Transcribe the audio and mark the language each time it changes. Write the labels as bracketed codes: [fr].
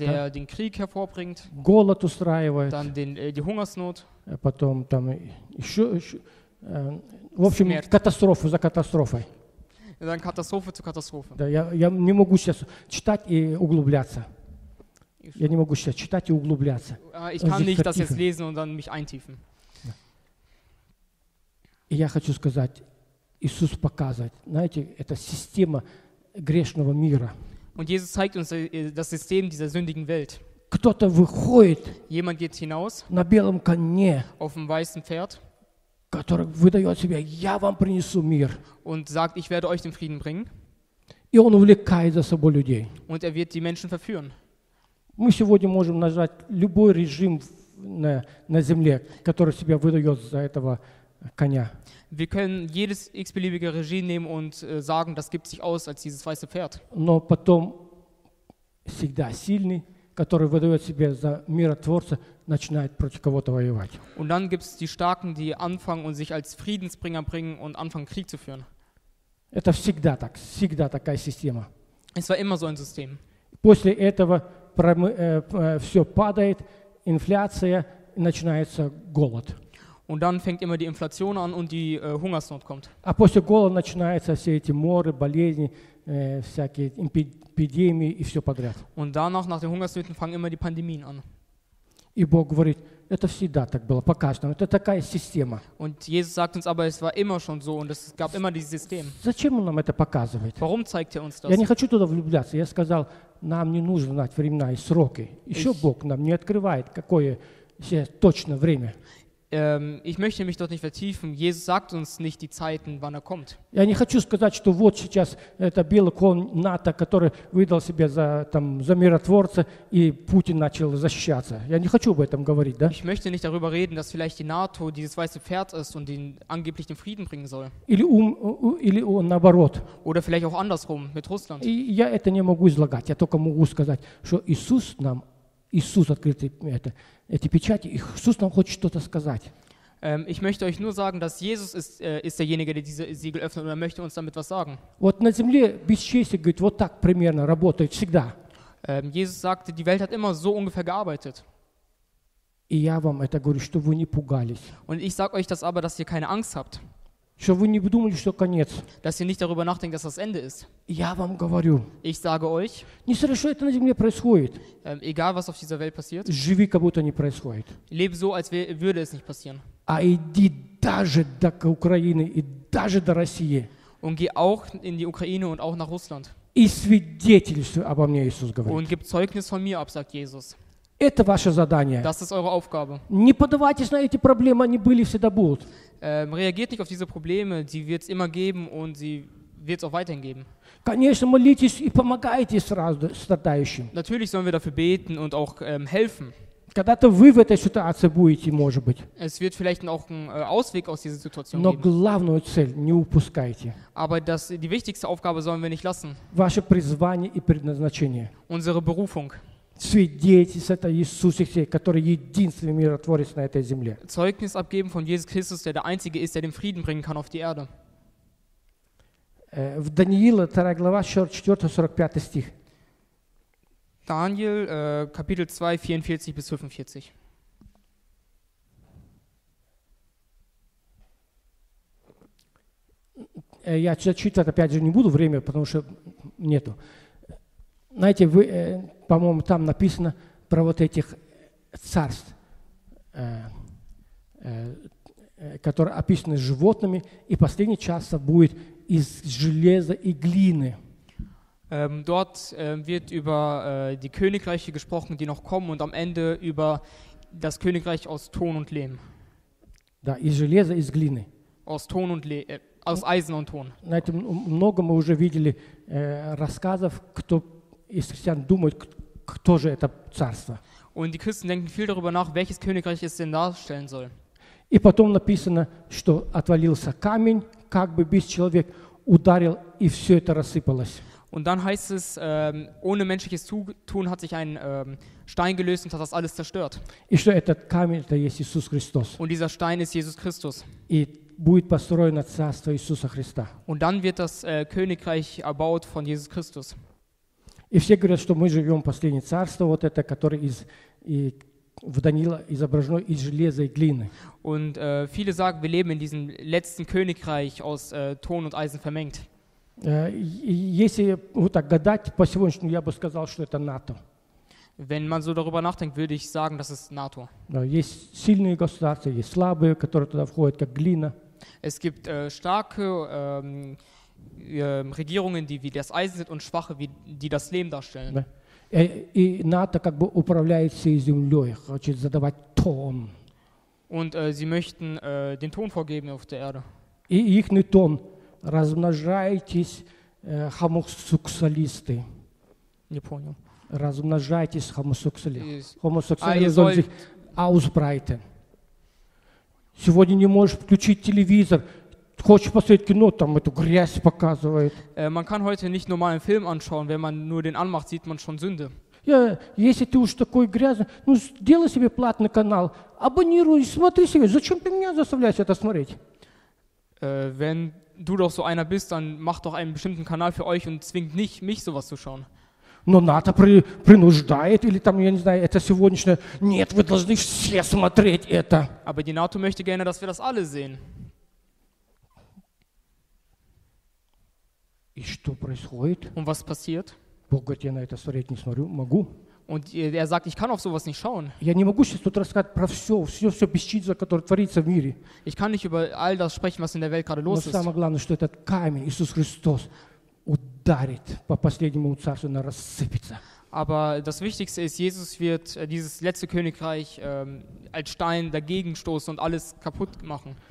[de] der dann, den Krieg hervorbringt, [ru] голод устраивает, [de] dann den, die Hungersnot, [ru] потом там еще в общем, смерть. Катастрофа за катастрофой. [de] Dann Katastrophe zu Katastrophe. [ru] Да, я не могу сейчас читать и углубляться. Я не могу сейчас читать и углубляться. [de] Ich kann nicht vertiefen. Das jetzt lesen und dann mich eintiefen. Ja. [ru] Я хочу сказать, Иисус показывает, знаете, это система грешного мира. [de] Und Jesus zeigt uns das System dieser sündigen Welt. [ru] Кто-то выходит, [de] jemand geht hinaus, [ru] на белом коне, [de] auf dem weißen Pferd, [ru] который выдает себя, я вам принесу мир. [de] Und sagt, ich werde euch den Frieden bringen. [ru] И он увлекает за собой людей. [de] Und er wird die Menschen verführen. [ru] Мы сегодня можем назвать любой режим на земле, который себя выдает за этого коня. [de] Wir können jedes x-beliebige Regime nehmen und sagen, das gibt sich aus als dieses weiße Pferd. [ru] Но потом всегда сильный, который выдает себя за миротворца, начинает против кого-то воевать. [de] Und dann gibt es die Starken, die anfangen und sich als Friedensbringer bringen und anfangen Krieg zu führen. [ru] Это всегда так, всегда такая система. [de] Es war immer so ein System. [ru] После этого все падает, инфляция, начинается голод. [de] Und dann fängt immer die Inflation an und die Hungersnot kommt. [ru] А после голода начинаются все эти моры, болезни, всякие эпидемии и все подряд. [de] Und danach, nach den Hungersnöten, fangen immer die Pandemien an. [ru] И Бог говорит, Это всегда так было, пока что. Это такая система. [de] Und Jesus sagt uns aber, es war immer schon so und es gab immer dieses System. [ru] Зачем он нам это показывает? [de] Warum zeigt er uns das? [ru] Я не хочу туда влюбляться. Я сказал, нам не нужно знать времена и сроки. Еще ich, Бог нам не открывает, какое точно время. [de] Ich möchte mich dort nicht vertiefen. Jesus sagt uns nicht die Zeiten, wann kommt. [ru] Я не хочу сказать, что вот сейчас это белый конь НАТО, который выдал себя за, там, за миротворца, и Путин начал защищаться. Я не хочу об этом говорить, да? [de] Ich möchte nicht darüber reden, dass vielleicht die NATO dieses weiße Pferd ist und den angeblich den Frieden bringen soll. [ru] Или наоборот. [de] Oder vielleicht auch andersrum, mit Russland. [ru] И я это не могу излагать. Я только могу сказать, что Иисус нам, Иисус открыл это. Эти печати, Иисус нам хочет что-то сказать. [de] Ich möchte euch nur sagen, dass Jesus ist, ist derjenige, der diese Siegel öffnet und er möchte uns damit was sagen. [ru] Вот на земле бесчестие, говорит, вот так примерно работает всегда. [de] Jesus sagte, die Welt hat immer so ungefähr gearbeitet. [ru] И я вам это говорю, что вы не пугались. [de] Und ich sage euch das aber, dass ihr keine Angst habt. [ru] Что вы не думали, что конец. [de] Dass ihr nicht darüber nachdenkt, dass das Ende ist. [ru] Я вам говорю. [de] Ich sage euch. [ru] Не смотря, что это на земле происходит. [de] Egal, was auf dieser Welt passiert. [ru] Живи, как будто не происходит. [de] Leb so, als würde es nicht passieren. [ru] А иди даже до Украины и даже до России. [de] Und geh auch in die Ukraine und auch nach Russland. [ru] И свидетельствуй обо мне, Иисус говорит. [de] Und gib Zeugnis von mir ab, sagt Jesus. [ru] Это ваше задание. [de] Das ist eure Aufgabe. [ru] Не поддавайтесь на эти проблемы, они были, всегда будут. [de] Reagiert nicht auf diese Probleme, sie wird es immer geben und sie wird es auch weiterhin geben. [ru] Конечно, молитесь и помогайте сразу страдающим. [de] Natürlich sollen wir dafür beten und auch helfen. [ru] Когда-то вы в этой ситуации будете, может быть. [de] Es wird vielleicht auch ein Ausweg aus dieser Situation [ru] Но [de] geben. [ru] Но главную цель не упускайте. [de] Aber das, die wichtigste Aufgabe sollen wir nicht lassen. [ru] Ваше призвание и предназначение. [de] Unsere Berufung. [ru] Свидетельство Иисуса Христа, который единственный миротворец на этой земле. [de] Zeugnis abgeben von Jesus Christus, der einzige ist, der den Frieden bringen kann auf die Erde. [ru] В Даниила 2 глава 4-45 стих. [de] Daniel Kapitel 2 44-45. [ru] Я читать опять же не буду время, потому что нету. Знаете, вы, по-моему, там написано про вот этих царств, которые описаны животными, и последний час будет из железа и глины. [de] Dort wird über die Königreiche gesprochen, die noch kommen, und am Ende über das Königreich aus Ton und Lehm. [ru] Да, из железа, из глины. [de] Aus Ton und Lehm. Aus Eisen und Ton. [ru] На этом много мы уже видели рассказов, кто из христиан думает, кто же это царство. [de] Und die Christen denken viel darüber nach, welches Königreich es denn darstellen soll. [ru] И потом написано, что отвалился камень, как бы без человек ударил, и все это рассыпалось. [de] Und dann heißt es, ohne menschliches Zutun hat sich ein Stein gelöst und hat das alles zerstört. [ru] И что этот камень, это есть Иисус Христос. [de] Und dieser Stein ist Jesus Christus. [ru] И будет построено царство Иисуса Христа. [de] Und dann wird das Königreich erbaut von Jesus Christus. [ru] И все говорят, что мы живем последнее царство, вот это, которое из, и в Даниила изображено из железа и глины. [de] Und viele sagen, wir leben in diesem letzten Königreich aus Ton und Eisen vermengt. [ru] Если вот так гадать по сегодняшнему, я бы сказал, что это НАТО. [de] Wenn man so darüber nachdenkt, würde ich sagen, das ist NATO. [ru] Есть сильные государства, есть слабые, которые туда входят, как глина. [de] Es gibt starke Regierungen, die wie das Eisen sind, und schwache, wie die das Lehm darstellen. [ru] И НАТО как бы управляет всей землей, хочет задавать тон. [de] Und sie möchten den Ton vorgeben auf der Erde. [ru] И их не тон. Размножайтесь, хомосексуалисты. Не понял. Размножайтесь, хомосексуалисты. Хомосексуалисты. [de] Ausbreiten. [ru] Сегодня не можешь включить телевизор. Хочешь посмотреть кино, там эту грязь показывает. [de] Man kann heute nicht normalen Film anschauen. Wenn man nur den anmacht, sieht man schon Sünde. [ru] Ja, если ты уж такой грязный, ну сделай себе платный канал. Абонируй, смотри себе. Зачем ты меня заставляешь это смотреть? [de] Wenn du doch so einer bist, dann mach doch einen bestimmten Kanal für euch und zwingt nicht, mich sowas zu schauen. [ru] Но НАТО принуждает, или там, я не знаю, это сегодняшнее. Нет, вы должны все смотреть это. [de] Aber die NATO möchte gerne, dass wir das alle sehen. [ru] И что происходит? [de] Und was passiert? [ru] Бог говорит, я на это смотреть не смотрю, могу. [de] Und er sagt, ich kann auf sowas nicht schauen. Ich kann nicht über all das sprechen, was in der Welt gerade los ist. [ru] Самое главное, что этот камень, Иисус Христос, ударит по последнему царству, оно рассыпется. [de] Aber das Wichtigste ist, Jesus wird dieses letzte Königreich als Stein dagegen stoßen und alles kaputt machen.